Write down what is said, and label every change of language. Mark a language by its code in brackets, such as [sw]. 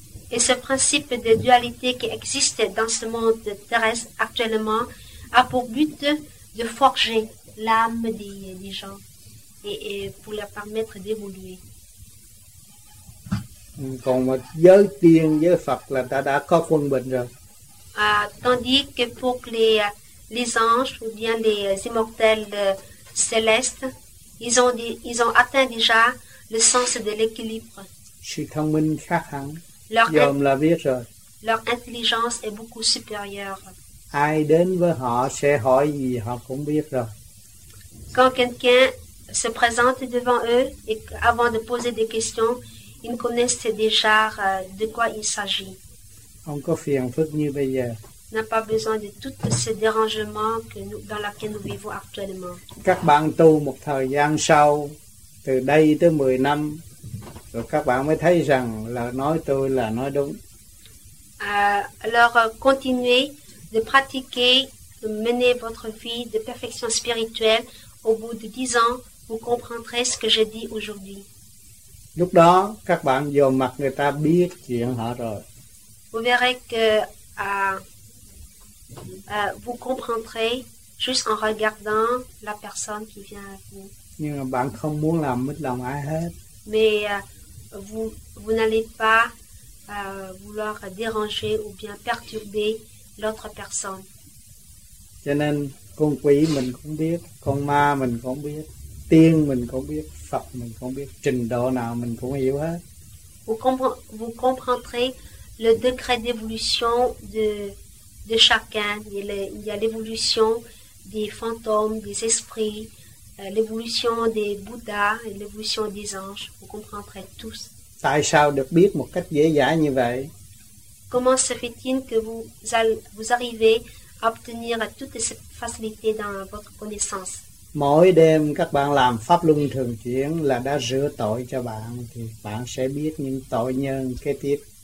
[fr] Et ce principe de dualité qui existe dans ce monde terrestre actuellement a pour but de forger l'âme des gens. Et pour leur permettre d'évoluer. [vi] Còn mà giới tiên giới Phật là ta đã có quân bình rồi. [fr] Tandis que pour les anges ou bien les immortels célestes, ils ont atteint déjà le sens de l'équilibre. [vi] Sự thông minh khác hẳn. Dòm là biết rồi. [fr] Leur intelligence est beaucoup supérieure. [vi] Ai đến với họ sẽ hỏi gì họ cũng biết rồi. [fr] Quand quelqu'un se présentent devant eux et avant de poser des questions, ils connaissent déjà de quoi il s'agit. [vi] Không có phiền phức như bây giờ. [fr] n'a pas besoin de tout ce dérangement que nous, dans lequel nous vivons actuellement. [vi] Các bạn tu một thời gian sau, từ đây tới 10 năm, rồi các bạn mới thấy rằng là nói tôi là nói đúng. [fr] Alors continuez de pratiquer, de mener votre vie de perfection spirituelle. Au bout de 10 ans, vous comprendrez ce que je dis aujourd'hui. [vi] Lúc đó, các bạn vô mặt người ta biết chuyện họ rồi. [fr] Vous verrez que vous comprendrez juste en regardant la personne qui vient à vous. [vi] Nhưng mà bạn không muốn làm mất lòng ai hết. [fr] Mais vous n'allez pas vouloir déranger ou bien perturber l'autre personne. [vi] Cho nên con quỷ mình cũng biết, con ma mình cũng biết, tiên mình cũng biết, Phật mình cũng biết, trình độ nào mình cũng hiểu hết. [fr] Vous comprendrez le degré d'évolution de chacun. Il y a l'évolution des fantômes, des esprits, l'évolution des Bouddhas, l'évolution des anges. Vous comprendrez tous. [vi] Tại sao được biết một cách dễ dàng như vậy? [fr] Comment se fait-il que vous arrivez à obtenir toutes ces facilités dans votre connaissance? [vi] Mỗi đêm các bạn làm pháp luân thường chuyển là đã rửa tội cho bạn, thì bạn sẽ biết những tội nhân kế tiếp.